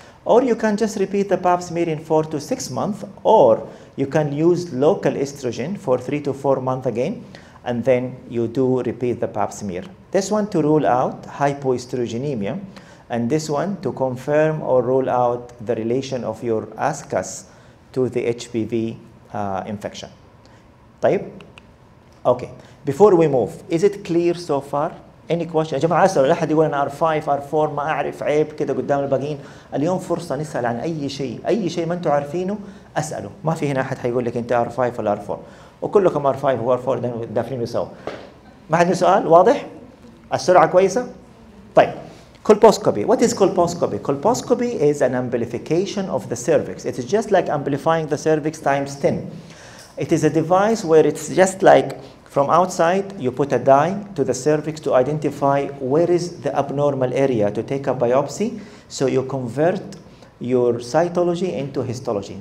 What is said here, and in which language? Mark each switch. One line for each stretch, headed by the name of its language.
English: Or you can just repeat the pap smear in 4 to 6 months, or you can use local estrogen for 3 to 4 months again, and then you do repeat the pap smear. This one to rule out hypoestrogenemia, and this one to confirm or rule out the relation of your ASCUS to the HPV infection.
Arabic: طيب?
English: Okay, before we move, is it clear so far? Any question؟
Arabic: يا جماعة أسألوا، لا أحد يقول أنا R5 R4 ما أعرف، عيب كده قدام الباقيين. اليوم فرصة نسأل عن أي شيء، أي شيء ما أنتم عارفينه أسأله. ما في هنا أحد حيقول لك أنت R5 ولا R4، وكلكم R5 و R4 داخلين سوا. ما حد سؤال؟ واضح؟ السرعة كويسة؟ طيب، colposcopy.
English: What is colposcopy? Colposcopy is an amplification of the cervix. It is just like amplifying the cervix times 10. It is a device where it's just like from outside, you put a dye to the cervix to identify where is the abnormal area to take a biopsy, so you convert your cytology into histology.